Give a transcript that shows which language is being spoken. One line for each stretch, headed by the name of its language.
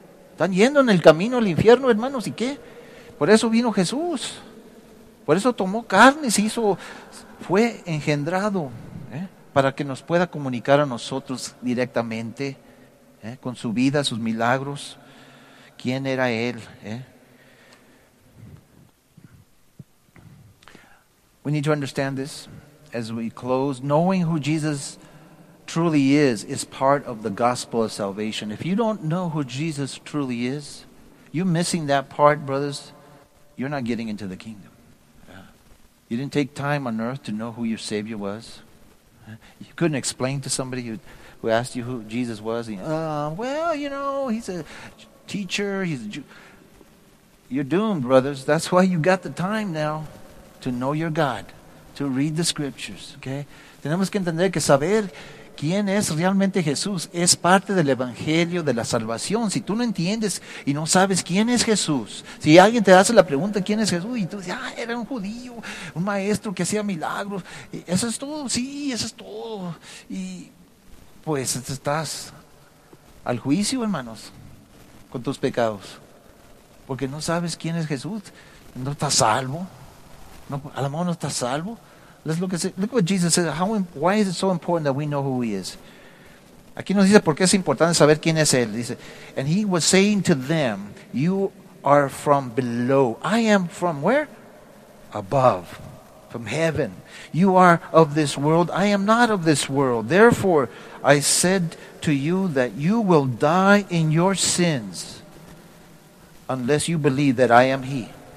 Spanish: Están yendo en el camino al infierno, hermanos, ¿y qué? Por eso vino Jesús. Por eso tomó carne, se hizo, fue engendrado, ¿eh? Para que nos pueda comunicar a nosotros directamente, ¿eh? Con su vida, sus milagros, quién era él. ¿Eh?
English: We need to understand this as we close. Knowing who Jesus truly is part of the gospel of salvation. If you don't know who Jesus truly is, you're missing that part, brothers. You're not getting into the kingdom. You didn't take time on earth to know who your Savior was. You couldn't explain to somebody who asked you who Jesus was. He's a teacher. He's a Jew. You're doomed, brothers. That's why you got the time now to know your God, to read the scriptures. Okay?
Spanish: Tenemos que entender que saber quién es realmente Jesús es parte del evangelio de la salvación. Si tú no entiendes y no sabes quién es Jesús, si alguien te hace la pregunta quién es Jesús y tú dices, era un judío, un maestro que hacía milagros, eso es todo, sí, eso es todo, y pues estás al juicio, hermanos, con tus pecados, porque no sabes quién es Jesús, no estás salvo, no, a lo mejor no estás salvo.
English: Look what Jesus says. Why is it so important that we know who he is?
Spanish: Aquí nos dice por qué es importante saber quién es él.
English: Dice, and he was saying to them, you are from below. I am from where? Above. From heaven. You are of this world. I am not of this world. Therefore, I said to you that you will die in your sins unless you believe that I am he.